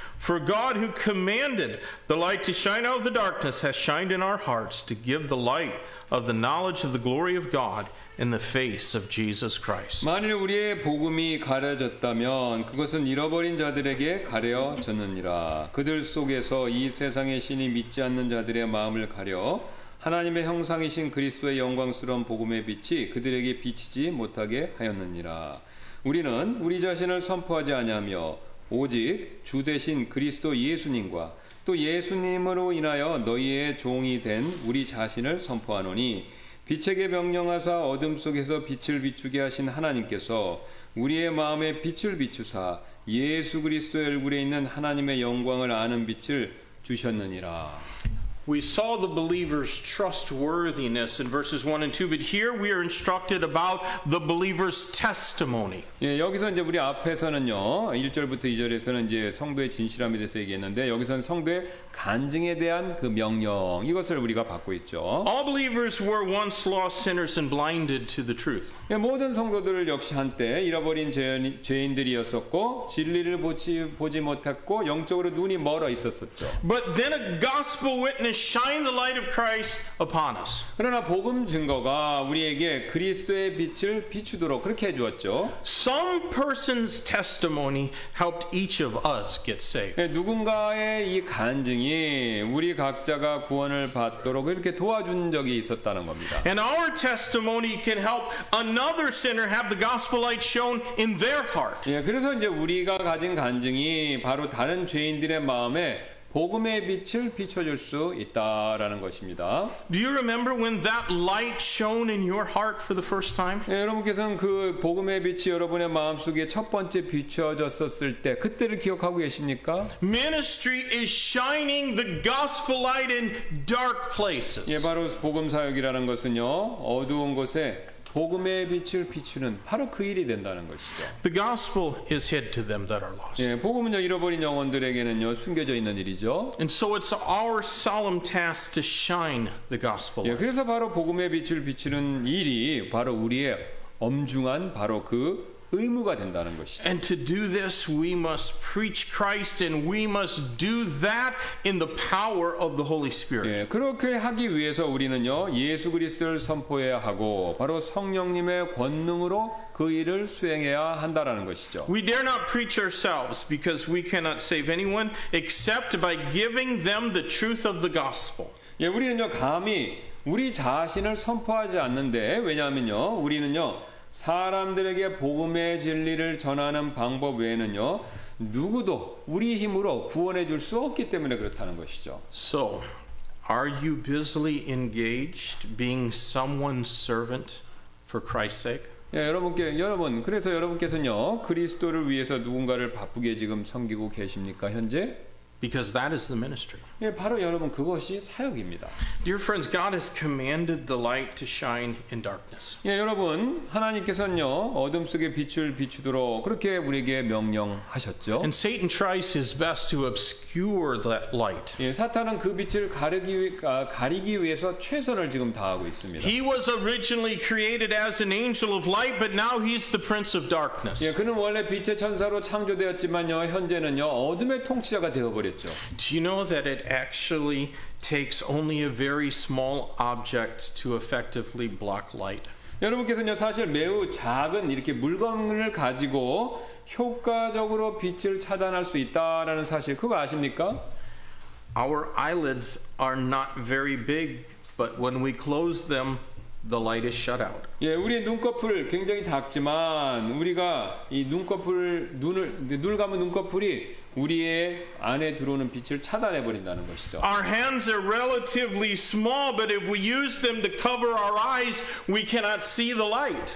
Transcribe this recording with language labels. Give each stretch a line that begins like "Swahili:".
English: For God, who commanded the light to shine out of the darkness, has shined in our hearts to give the light of the knowledge of the glory of God in the face of Jesus Christ.
Korean: 만일 우리의 복음이 가려졌다면 그것은 잃어버린 자들에게 가려졌느니라. 그들 속에서 이 세상의 신이 믿지 않는 자들의 마음을 가려 하나님의 형상이신 그리스도의 영광스러운 복음의 빛이 그들에게 비치지 못하게 하였느니라. 우리는 우리 자신을 선포하지 아니하며 오직 주 대신 그리스도 예수님과 또 예수님으로 인하여 너희의 종이 된 우리 자신을 선포하노니 빛에게 명령하사 어둠 속에서 빛을 비추게 하신 하나님께서 우리의 마음에 빛을 비추사 예수 그리스도의 얼굴에 있는 하나님의 영광을 아는 빛을 주셨느니라.
English: We saw the believer's trustworthiness in verses 1 and 2, but here we are instructed about the believer's testimony.
Korean: 예, 여기서 이제 우리 앞에서는요, 1절부터 2절에서는 이제 성도의 진실함에 대해서 얘기했는데 여기서는 성도의 간증에 대한 그 명령 이것을 우리가 받고 있죠.
English: All believers were once lost sinners and blinded to the truth.
Korean: 예, 모든 성도들을 역시 한때 잃어버린 죄인들이었었고 진리를 보지 못했고 영적으로 눈이 멀어 있었었죠.
English: But then a gospel witness shine the light of Christ upon us.
Korean: 그러나 복음 증거가 우리에게 그리스도의 빛을 비추도록 그렇게 해 주었죠.
English: Some person's testimony helped each of us get saved.
Korean: 누군가의 이 간증이 우리 각자가 구원을 받도록 이렇게 도와준 적이 있었다는 겁니다.
English: And our testimony can help another sinner have the gospel light shown in their heart.
Korean: 예, 그래서 이제 우리가 가진 간증이 바로 다른 죄인들의 마음에 복음의 빛을 비춰줄 수 있다라는 것입니다.
English: Do you remember when that light shone in your heart for the first time?
Korean: 예, 여러분께서는 그 복음의 빛이 여러분의 마음속에 첫 번째 비춰졌었을 때 그때를 기억하고 계십니까?
English: Ministry is shining the gospel light in dark places.
Korean: 예, 바로 복음 사역이라는 것은요, 어두운 곳에 복음의 빛을 비추는 바로 그 일이 된다는 것이죠.
English: The gospel is hid to them that are lost.
Korean: 예, 복음은 잃어버린 영혼들에게는요 숨겨져 있는 일이죠.
English: And so it's our solemn task to shine the gospel.
Korean: 예, 그래서 바로 복음의 빛을 비추는 일이 바로 우리의 엄중한 바로 그 의무가 된다는 것이죠.
English: And to do this, we must preach Christ, and we must do that in the power of the Holy Spirit.
Korean: 예, 그렇게 하기 위해서 우리는요 예수 그리스도를 선포해야 하고 바로 성령님의 권능으로 그 일을 수행해야 한다라는 것이죠.
English: We dare not preach ourselves because we cannot save anyone except by giving them the truth of the gospel.
Korean: 예, 우리는요 감히 우리 자신을 선포하지 않는데 왜냐하면요 우리는요. 사람들에게 복음의 진리를 전하는 방법 외에는요 누구도 우리 힘으로 구원해 줄 수 없기 때문에 그렇다는 것이죠.
English: So, are you busily engaged being someone's servant for Christ's sake?
Korean: 예, 여러분, 그래서 여러분께서는요 그리스도를 위해서 누군가를 바쁘게 지금 섬기고 계십니까 현재?
English: Because that is the ministry.
Korean: 예, 바로 여러분 그것이 사역입니다.
English: Dear friends, God has commanded the light to shine in darkness.
Korean: 예, 여러분 하나님께서는요 어둠 속에 빛을 비추도록 그렇게 우리에게 명령하셨죠.
English: And Satan tries his best to obscure that light.
Korean: 예, 사탄은 그 빛을 가리기 위해서 최선을 지금 다하고 있습니다.
English: He was originally created as an angel of light, but now he's the prince of darkness.
Korean: 예, 그는 원래 빛의 천사로 창조되었지만요 현재는요 어둠의 통치자가 되어.
English: Do you know that it actually takes only a very small object to effectively block light?
Korean: 여러분께서는 사실 매우 작은 이렇게 물건을 가지고 효과적으로 빛을 차단할 수 있다라는 사실 그거 아십니까?
English: Our eyelids are not very big, but when we close them, the light is shut out.
Korean: 예, 우리 눈꺼풀 굉장히 작지만 우리가 이 눈을 감은 눈꺼풀이 우리의 안에 들어오는 빛을 차단해 버린다는 것이죠.
English: Our hands are relatively small, but if we use them to cover our eyes, we cannot see the light.